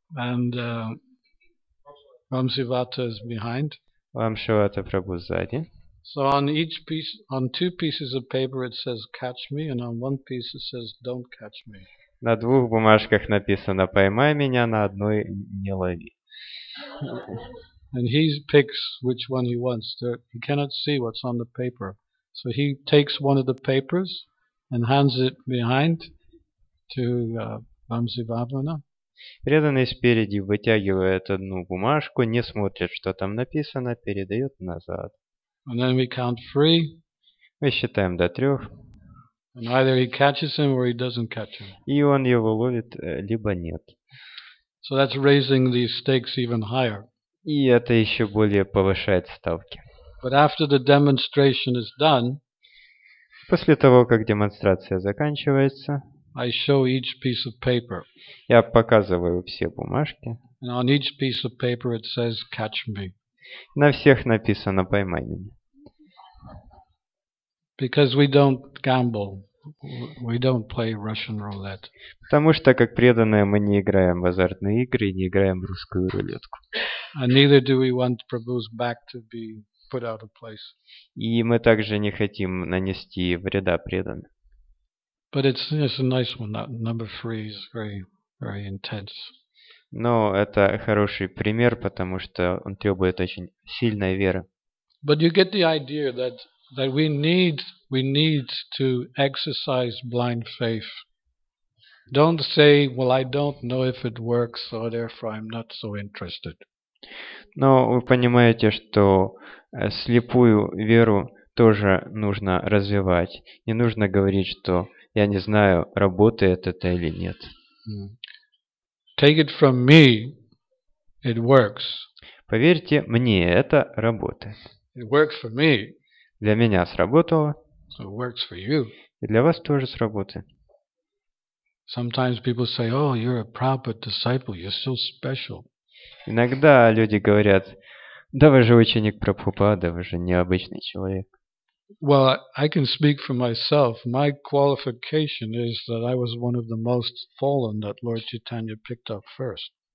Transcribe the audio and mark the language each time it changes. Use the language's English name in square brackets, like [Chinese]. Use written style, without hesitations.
[English] And Vamsivata is behind. [Russian] Вамшивата Прабу сзади. [English] So on each piece, on two pieces of paper, it says "catch me", and on one piece it says "don't catch me". [Russian] На двух бумажках написано "поймай меня", на одной "не лови". [English] And he picks which one he wants. He cannot see what's on the paper, so he takes one of the papers and hands it behind to Vamsivabana. [Russian] Преданный спереди вытягивает одну бумажку, не смотрит, что там написано, передает назад. [English] And then we count three. [Russian] Мы считаем до трех. [English] And either he catches him or he doesn't catch him. [Russian] И он его ловит, либо нет. [English] So that's raising the stakes even higher. [Russian] И это еще более повышает ставки. [English] But after the demonstration is done, [Russian] после того, как демонстрация заканчивается, [English] I show each piece of paper. [Russian] Я показываю все бумажки. [English] And on each piece of paper it says "catch me". [Russian] На всех написано "поймай меня". [English] Because we don't gamble. We don't play Russian roulette. [Russian] Потому что, как преданные, мы не играем в азартные игры и не играем в русскую рулетку. [English] And neither do we want Prabhu's back to be put out of place. [Russian] И мы также не хотим нанести вреда преданным. [English] But it's a nice one. That number three is very, very intense. [Russian] Но это хороший пример, потому что он требует очень сильной веры. [English] But you get the idea that we need to exercise blind faith. Don't say, well, I don't know if it works, so therefore I'm not so interested. [Russian] Но вы понимаете, что слепую веру тоже нужно развивать. Не нужно говорить, что я не знаю, работает это или нет. [English] Take it from me, it works. [Russian] Поверьте мне, это работает. [English] It works for me. [Russian] Для меня сработало. [English] So it works for you. [Russian] И для вас тоже сработает. [English] Sometimes people say, oh, you're a Prabhupada disciple, you're so special. [Russian] Иногда люди говорят, да вы же ученик Прабхупады, вы же необычный человек. [English] Well, I can speak for myself. My qualification is that I was one of the most fallen that Lord Chaitanya picked up first.